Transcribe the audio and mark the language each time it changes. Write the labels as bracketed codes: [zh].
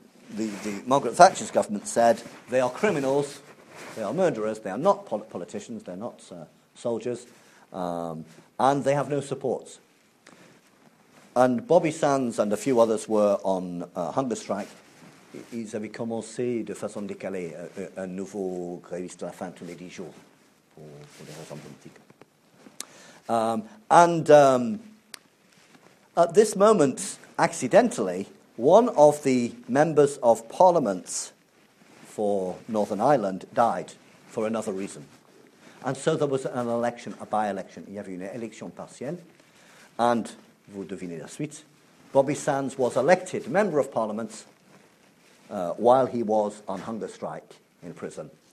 [en] The Margaret Thatcher's government said they are criminals, they are murderers, they are not politicians, they're not soldiers, and they have no support. And Bobby Sands and a few others were on hunger strike. [fr] Ils avaient commencé de façon décalée un nouveau gréviste à la fin tous les 10 jours pour des raisons politiques. [en] At this moment, accidentally, one of the members of parliament for Northern Ireland died for another reason. And so there was an election, a by-election. [fr] Il y avait une élection partielle. [en] And, [fr] vous devinez la suite, [en] Bobby Sands was elected Member of Parliament while he was on hunger strike in prison.